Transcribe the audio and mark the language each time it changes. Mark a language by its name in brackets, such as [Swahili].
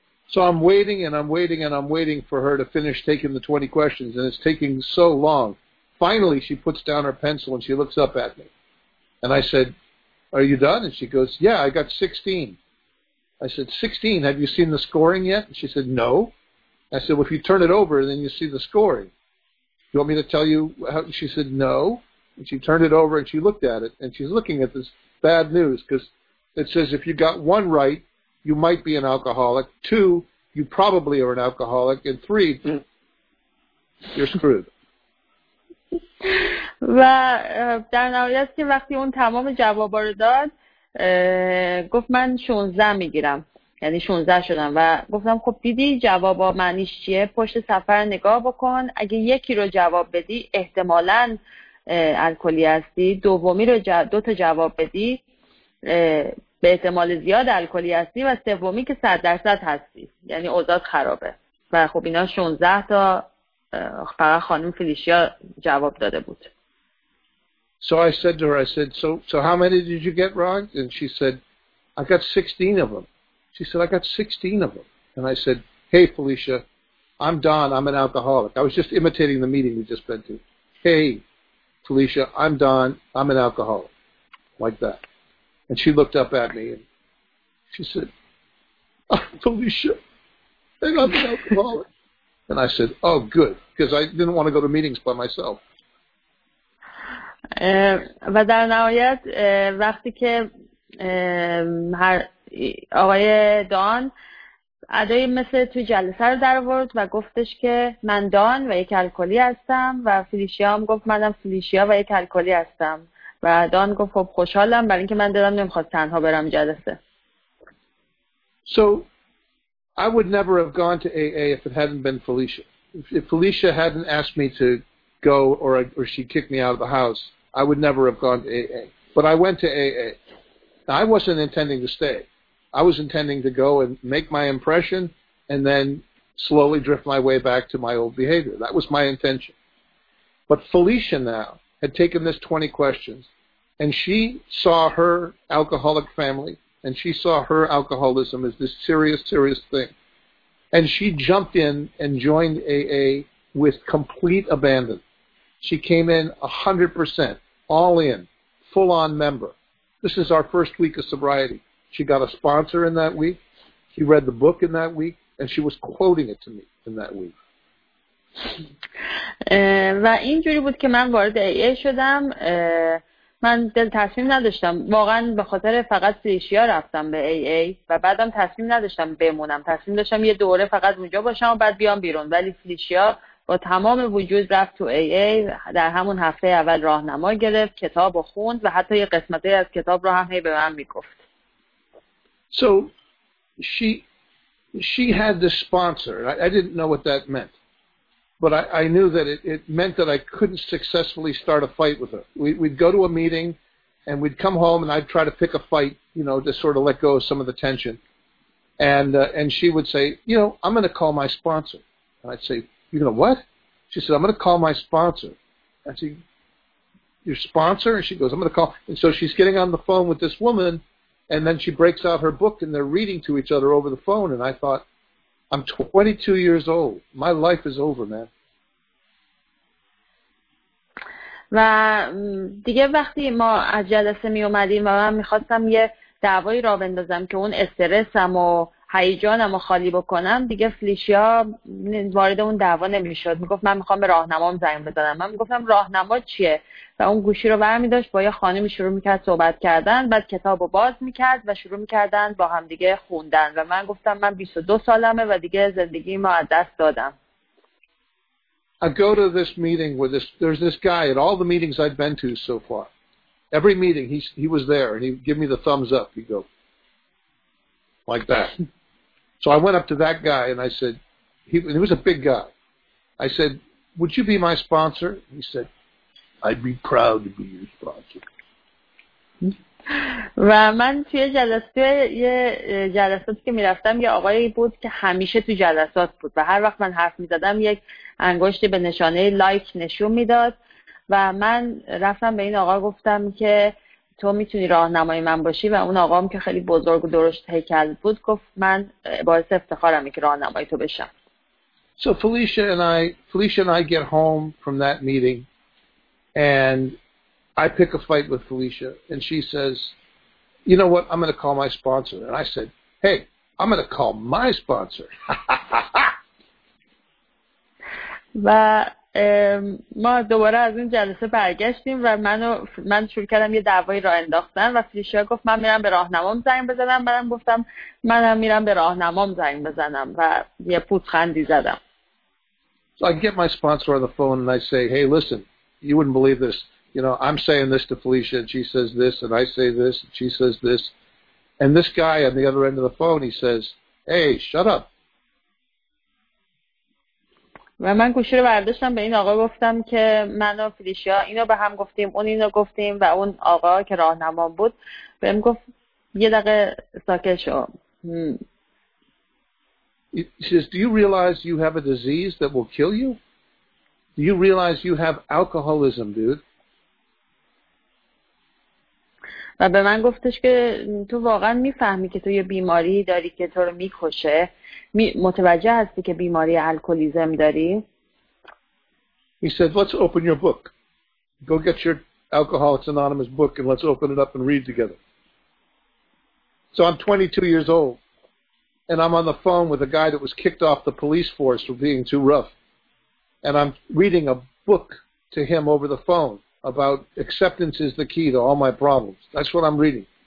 [English] So I'm waiting and I'm waiting and I'm waiting for her to finish taking the 20 questions and it's taking so long. Finally, she puts down her pencil and she looks up at me. And I said, are you done? And she goes, yeah, I got 16. I said, 16, have you seen the scoring yet? And she said, no. I said, well, if you turn it over, then you see the scoring. You want me to tell you how? She said, no. And she turned it over and she looked at it and she's looking at this bad news because it says if you got one right, you might be an alcoholic. Two, you probably are an alcoholic. And three, you're screwed. [Persian] و در نهایت که وقتی اون تمام جواب رو داد گفت من 16 میگیرم، یعنی 16 شدم و گفتم خب دیدی جواب معنیش چیه، پشت سفر نگاه بکن، اگه یکی رو جواب بدی احتمالاً الکلی هستی، دومی رو دو تا جواب بدی به احتمال زیاد الکلی هستی و سومی که 100% هستی، یعنی اوضاع خرابه. و خب اینا 16 تا فقط خانم فلیشیا جواب داده بود. [English] So I said to her, I said, so how many did you get wrong? And she said, I got 16 of them. She said, I got 16 of them. And I said, hey Felicia, I'm Don, I'm an alcoholic. I was just imitating the meeting we just been to. Hey Felicia, I'm Don, I'm an alcoholic. Like that. And she looked up at me and she said, I'm Felicia and I'm an alcoholic. And I said, oh, good, because I didn't want to go to meetings by myself. [Persian] و در نهایت وقتی که هر آقای دان ادای مثل توی جلسه رو در آورد و گفتش که من دان و یک الکلی هستم و فلیشیا هم گفت منم فلیشیا و یک الکلی هستم. و دان گفت خب خوشحالم برای اینکه من دلم نمیخواست تنها برم جلسه. [English] So I would never have gone to AA if it hadn't been Felicia. If Felicia hadn't asked me to go or she kicked me out of the house, I would never have gone to AA. But I went to AA. Now, I wasn't intending to stay. I was intending to go and make my impression and then slowly drift my way back to my old behavior. That was my intention. But Felicia now had taken this 20 questions, and she saw her alcoholic family, and she saw her alcoholism as this serious, serious thing. And she jumped in and joined AA with complete abandon. She came in 100%, all in, full-on member. This is our first week of sobriety. She got a sponsor in that week. She read the book in that week, and she was quoting it to me in that week. [Persian] و اینجوری بود که من وارد AA شدم. من دل تصمیم نداشتم واقعا به خاطر فقط فلیشیا رفتم به AA و بعدم تصمیم نداشتم بمونم، تصمیم داشتم یه دوره فقط اونجا باشم و بعد بیام بیرون، ولی فلیشیا با تمام وجود رفت تو AA. در همون هفته اول راهنما گرفت، کتاب رو خوند و حتی یه قسمتی از کتاب رو هم هی به من میگفت. [English] So she had the sponsor. I didn't know what that meant. But I knew that it meant that I couldn't successfully start a fight with her. We'd go to a meeting, and we'd come home, and I'd try to pick a fight, you know, to sort of let go of some of the tension. And she would say, you know, I'm going to call my sponsor. And I'd say, you're going to what? She said, I'm going to call my sponsor. I said, your sponsor? And she goes, I'm going to call. And so she's getting on the phone with this woman, and then she breaks out her book, and they're reading to each other over the phone. And I thought, I'm 22 years old. My life is over, man. [Persian] و دیگه وقتی ما از جلسه می اومدیم و من می‌خواستم یه دعوایی راه بندازم که اون استرسم و هیجانم رو خالی بکنم، دیگه فلیشیا وارد اون دعوا نمی‌شد. می‌گفت من می‌خوام به راهنمام زنگ بزنم. من می‌گفتم راهنما چیه؟ و اون گوشی رو برمی‌داشت، با یه خانمی شروع می‌کرد صحبت کردن، بعد کتابو باز می‌کرد و شروع می‌کردن با هم دیگه خوندن. و من گفتم من 22 سالمه و دیگه زندگیم رو از دست دادم. [English] I go to this meeting with this, there's this guy at all the meetings I've been to so far. Every meeting he was there and he'd give me the thumbs up. He'd go like that. So I went up to that guy and I said, he was a big guy. I said, would you be my sponsor? He said, I'd be proud to be your sponsor. [Persian] و من توی جلسه یه جلساتی که می‌رفتم یه آقایی بود که همیشه تو جلسات بود و هر وقت من حرف می‌زدم یک انگشتی به نشانه لایک نشون می‌داد و من رفتم به این آقا گفتم که تو می‌تونی راهنمای من باشی و اون آقام که خیلی بزرگ و درشت هیکل بود گفت من باعث افتخارم که راهنمای تو بشم. [English] So Felicia and I get home from that meeting and I pick a fight with Felicia, and she says, you know what, I'm going to call my sponsor. And I said, hey, I'm going to call my sponsor. [Persian] و ما دوباره از این جلسه برگشتیم و من شروع کردم یه دعوای راه انداختن و فلیشا گفت من میرم به راهنمام زنگ بزنم. منم گفتم منم میرم به راهنمام زنگ بزنم و یه پوزخندی زدم. [English] So I get my sponsor on the phone and I say, hey, listen, you wouldn't believe this. You know, I'm saying this to Felicia, and she says this, and I say this, and she says this. And this guy on the other end of the phone, he says, hey, shut up. [Persian] و من گوشی رو برداشتم به این آقا گفتم که من و فلیشیا اینو به هم گفتیم، اون اینو گفتیم و اون آقا که راهنما بود بهم گفت یه دقیقه ساکت شو. [English] He says, do you realize you have a disease that will kill you? Do you realize you have alcoholism, dude? [Persian] و به من گفتش که تو واقعا میفهمی که تو یه بیماری داری که تو رو میکشه، متوجه هستی که بیماری الکلیزم داری؟ [English] He said, let's open your book. Go get your Alcoholics Anonymous book and let's open it up and read together. So I'm 22 years old and I'm on the phone with a guy that was kicked off the police force for being too rough. And I'm reading a book to him over the phone. About acceptance is the key to all my problems. That's what I'm reading.